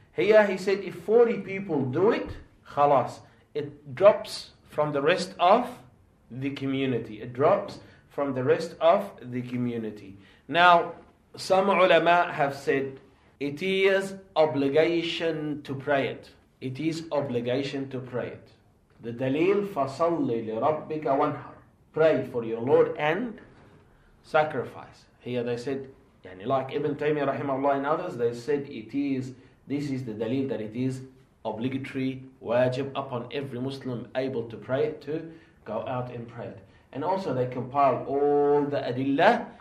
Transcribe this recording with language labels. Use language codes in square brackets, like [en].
[en] Here he said if 40 people do it, khalas, it drops from the rest of the community. It drops from the rest of the community. Now, some ulama have said it is obligation to pray it. It is obligation to pray it. The dalil, [ar] فَصَلِّ لِرَبِّكَ وَنْحَرْ. [en] Pray for your Lord and sacrifice. Here they said, yani like Ibn Taymiyyah rahimahullah and others, they said this is the dalil that it is obligatory, wajib upon every Muslim able to pray it, to go out and pray it. And also they compile all the adillah